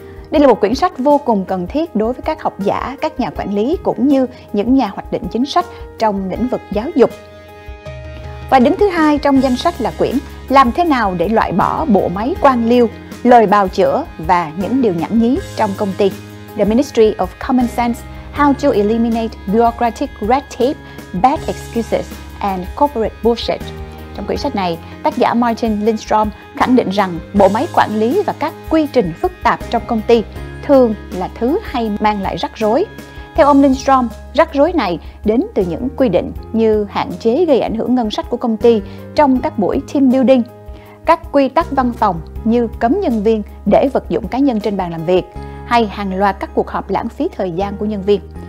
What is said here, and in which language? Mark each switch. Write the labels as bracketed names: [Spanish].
[Vietnamese] Đây là một quyển sách vô cùng cần thiết đối với các học giả, các nhà quản lý cũng như những nhà hoạch định chính sách trong lĩnh vực giáo dục. Và đứng thứ hai trong danh sách là quyển Làm thế nào để loại bỏ bộ máy quan liêu, lời bào chữa và những điều nhảm nhí trong công ty. [English] The Ministry of Common Sense, How to Eliminate Bureaucratic Red Tape, Bad Excuses and Corporate Bullshit. [Vietnamese] Trong quyển sách này, tác giả Martin Lindstrom khẳng định rằng bộ máy quản lý và các quy trình phức tạp trong công ty thường là thứ hay mang lại rắc rối. Theo ông Lindstrom, rắc rối này đến từ những quy định như hạn chế gây ảnh hưởng ngân sách của công ty trong các buổi team building, các quy tắc văn phòng như cấm nhân viên để vật dụng cá nhân trên bàn làm việc, hay hàng loạt các cuộc họp lãng phí thời gian của nhân viên.